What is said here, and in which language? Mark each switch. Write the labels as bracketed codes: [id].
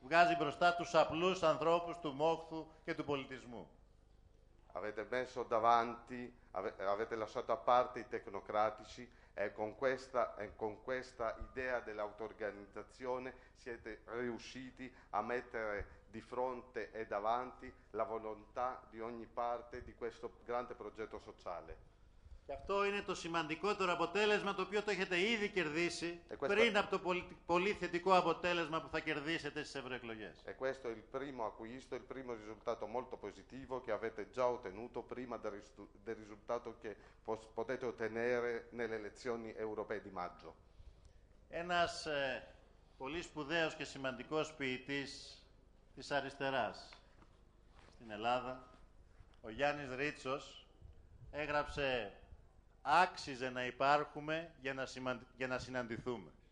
[el] Βγάζει μπροστά τους απλούς ανθρώπους του μόχθου και του πολιτισμού. [it] Avete messo davanti, avete lasciato a parte i tecnocratici e con questa idea dell'autoorganizzazione siete riusciti a mettere di fronte e davanti la volontà di ogni parte di questo grande progetto sociale. [el] Και αυτό είναι το σημαντικότερο αποτέλεσμα το οποίο το έχετε ήδη κερδίσει πριν από το πολύ θετικό αποτέλεσμα που θα κερδίσετε στις ευρωεκλογές. [it] E questo è il primo acquisto, il primo risultato molto positivo che avete già ottenuto prima del risultato che potete ottenere nelle elezioni europee di maggio. [el] Ένας πολύ σπουδαίος και σημαντικός ποιητής της αριστεράς στην Ελλάδα, ο Γιάννης Ρίτσος, έγραψε «Άξιζε να υπάρχουμε για να συναντηθούμε».